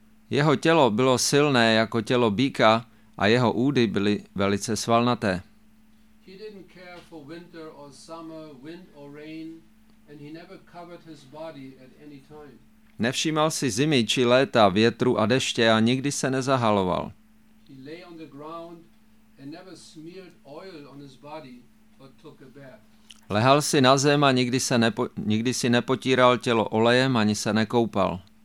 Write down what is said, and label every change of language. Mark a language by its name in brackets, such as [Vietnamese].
[Czech] Jeho tělo bylo silné jako tělo býka a jeho údy byly velice svalnaté. [English] He didn't care for winter or summer, wind or rain, and he never covered his body at any time. [Czech] Nevšímal si zimy či léta, větru a deště a nikdy se nezahaloval. [English] He lay on the ground and never smeared oil on his body but took a bath. [Czech] Lehal si na zem a nikdy si nepotíral tělo olejem ani se nekoupal.